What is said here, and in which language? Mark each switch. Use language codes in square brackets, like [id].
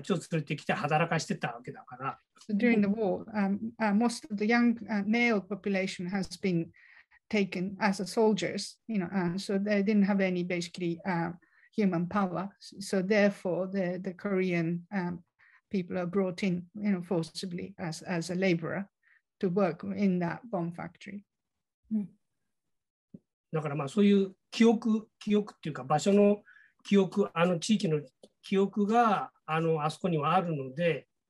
[ja] そこに結局戦争中、朝鮮の人たちを連れてきて、結局日本の若い男の人たちはみんなほら戦争で取られていって日本にはいないわけですよ。だから労働力として朝鮮から男の人たちを連れてきて働かしてたわけだから。 [en] So during the war, most of the young male population has been taken as a soldiers, you know, so they didn't have any basically human power. So therefore, the Korean people are brought in, you know, forcibly as a laborer to work in that bomb factory. [ja] だからまあそういう記憶っていうか場所の記憶、あの地域の記憶があの、あそこにはあるので、